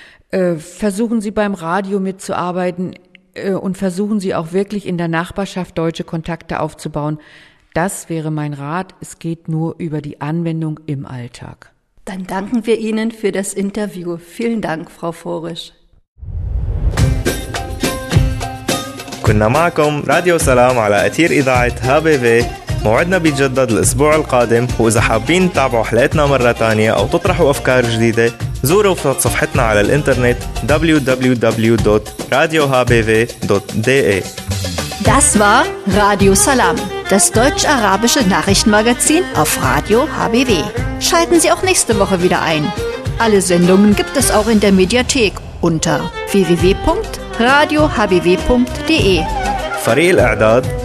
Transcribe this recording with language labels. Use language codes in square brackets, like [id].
[de] Versuchen Sie beim Radio mitzuarbeiten und versuchen Sie auch wirklich in der Nachbarschaft deutsche Kontakte aufzubauen. Das wäre mein Rat. Es geht nur über die Anwendung im Alltag. Dann danken wir Ihnen für das Interview. Vielen Dank, Frau Forisch. [ar] كنا معكم راديو سلام على أثير إذاعة HBV. موعدنا بيتجدد الأسبوع القادم، وإذا حابين تتابعوا حلقتنا مرة تانية أو تطرحوا أفكار جديدة زوروا صفحتنا على الإنترنت www.radiohbw.de. [de] Das war Radio Salam, das deutsch-arabische Nachrichtenmagazin auf Radio HBW. Schalten Sie auch nächste Woche wieder ein. Alle Sendungen gibt es auch in der Mediathek unter www.radiohbw.de. Fareel Adad.